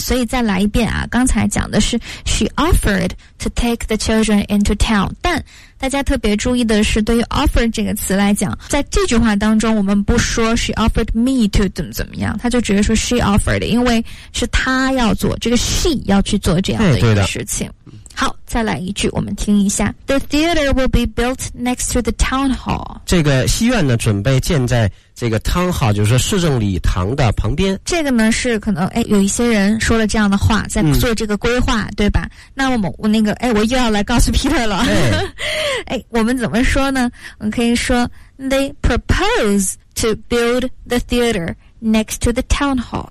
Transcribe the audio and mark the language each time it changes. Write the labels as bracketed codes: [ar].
[zh] 所以再来一遍啊，刚才讲的是 [en] She offered to take the children into town， [zh] 但大家特别注意的是对于 offer 这个词来讲，在这句话当中我们不说 [en] she offered me to [zh] 怎么怎么样，他就直接说 [en] she offered， [zh] 因为是他要做这个 she 要去做这样的一个事情。哎，对的。好，再来一句我们听一下。 [en] The theater will be built next to the town hall。 [zh] 这个戏院呢准备建在这个 town hall， 就是市政礼堂的旁边。这个呢是可能哎有一些人说了这样的话在做这个规划，嗯，对吧。那我那个哎我又要来告诉 Peter 了，哎哎，我们怎么说呢？我们可以说 [en] They propose to build the theater next to the town hall。